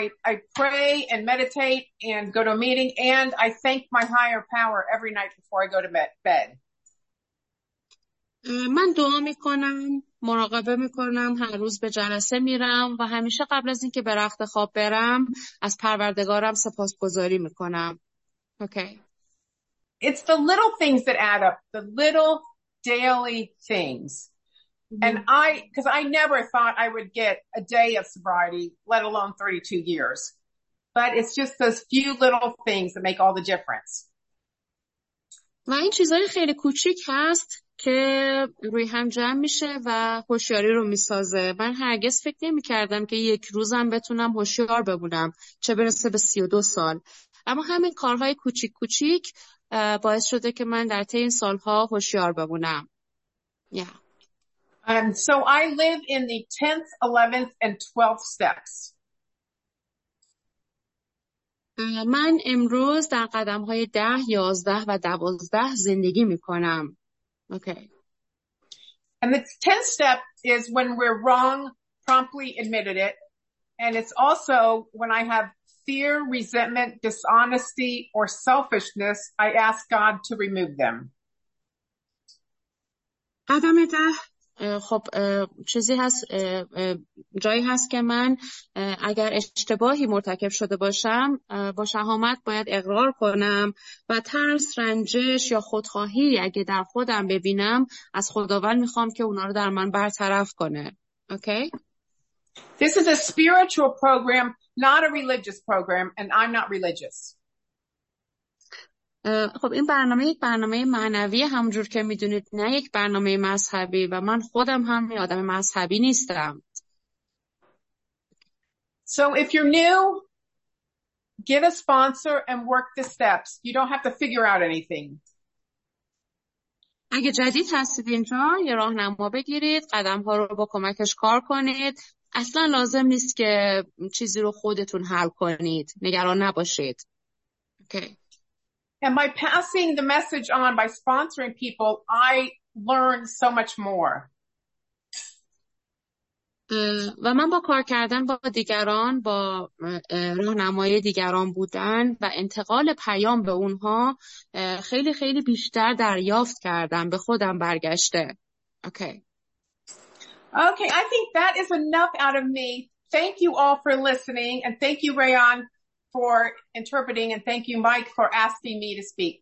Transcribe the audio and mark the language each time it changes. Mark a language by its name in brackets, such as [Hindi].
[English] I pray and meditate and go to a meeting and I thank my higher power every night before I go to bed. [Persian] من دعا میکنم، مراقبه میکنم، هر روز به جلسه میرم و همیشه قبل از اینکه به رخت خواب برم از پروردگارم سپاسگزاری میکنم. [English] Okay. It's the little things that add up, the little daily things. And I never thought I would get a day of sobriety, let alone 32 years. But it's just those few little things that make all the difference. [Persian] و این چیزهای خیلی کوچیک هست که روی هم جمع میشه و هوشیاری رو میسازه. من هرگز فکر نمی کردم که یک روزم بتونم هوشیار بمونم، چه برسه به 32 سال. اما همین کارهای کوچیک کوچیک باعث شده که من در طی این سالها هوشیار بمونم. [English] Yeah. So I live in the 10th, 11th, and 12th steps. [Persian] من امروز در قدم های 10, 11, و 12 زندگی می کنم. [English] Okay. And the 10th step is when we're wrong, promptly admitted it. And it's also when I have fear, resentment, dishonesty, or selfishness, I ask God to remove them. [Persian] قدم ده خب چیزی هست، جایی هست که من اگر اشتباهی مرتکب شده باشم با شهامت باید اقرار کنم و ترس، رنجش یا خودخواهی اگه در خودم ببینم از خداوند میخوام که اونا رو در من برطرف کنه. [English] Okay? This is a spiritual program, not a religious program, and I'm not religious. [Persian] خب این برنامه یک برنامه معنوی همونجور که میدونید، نه یک برنامه مذهبی، و من خودم هم یه آدم مذهبی نیستم. [English] So if you're new, get a sponsor and work the steps. You don't have to figure out anything. [Persian] اگه جدید هستید اینجا، یه راهنما بگیرید، قدم‌ها رو با کمکش کار کنید. اصلا لازم نیست که چیزی رو خودتون حل کنید. نگران نباشید. [English] Okay. And by passing the message on, by sponsoring people, I learn so much more. [Persian] و من با کار کردن با دیگران، با راهنمای دیگران بودن و انتقال پیام به اونها خیلی خیلی بیشتر دریافت کردم، به خودم برگشته. [English] Okay. Okay, I think that is enough out of me. Thank you all for listening and thank you, Rayon, for interpreting, and thank you, Mike, for asking me to speak.